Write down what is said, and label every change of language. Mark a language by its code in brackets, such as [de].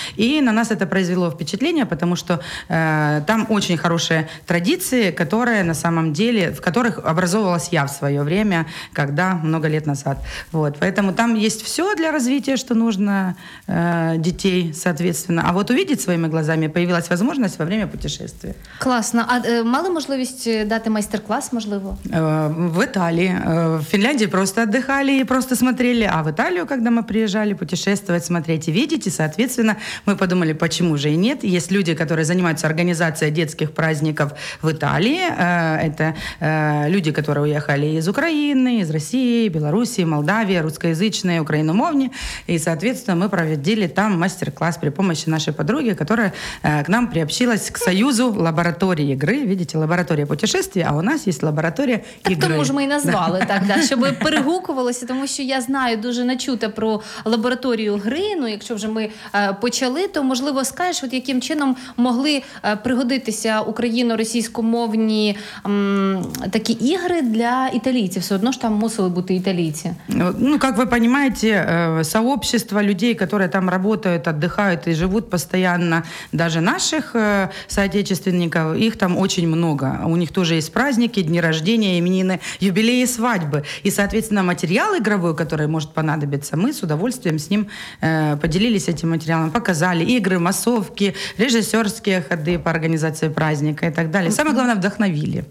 [ru] И на нас это произвело впечатление, потому что там очень хорошая традиции, которые на самом деле, в которых образовывалась я в свое время, когда много лет назад. Вот. Поэтому там есть все для развития, что нужно детей, соответственно. А вот увидеть своими глазами появилась возможность во время путешествия. Классно. [uk] А мало можливість дати майстер-клас, можливо? [ru] В Италии. В Финляндии просто отдыхали и просто смотрели. А в Италию, когда мы приезжали путешествовать, смотреть и видеть, и, соответственно, мы подумали, почему же и нет. Есть люди, которые занимаются организацией детских праздников в Италии. Это люди, которые уехали из Украины, из России, Белоруссии, Молдавии, русскоязычные, украиномовни. И, соответственно, мы проводили там мастер-класс при помощи нашей подруги, которая к нам приобщилась к союзу лаборатории игры. Видите, лаборатория путешествий, а у нас есть лаборатория игры. [uk] Так тому ж ми і назвали так, щоб перегукувалося, тому що я знаю дуже начуто про лабораторію гри. Ну, якщо вже ми почали, то, можливо, скажеш, от яким чином могли пригодитися Україну російськомовні такі ігри для італійців. Все одно ж там мусили бути італійці. [ru] Ну, как вы понимаете, сообщество людей, которые там работают, отдыхают и живут постоянно, даже наших соотечественников, их там очень много. У них тоже есть праздники, дни рождения, именины, юбилеи, свадьбы. И, соответственно, материал игровой, который может понадобиться, мы с удовольствием с ним поделились этим материалом, показали игры, массовки, режиссерские ходы по организации праздника и так далее. Самое главное, вдохновили.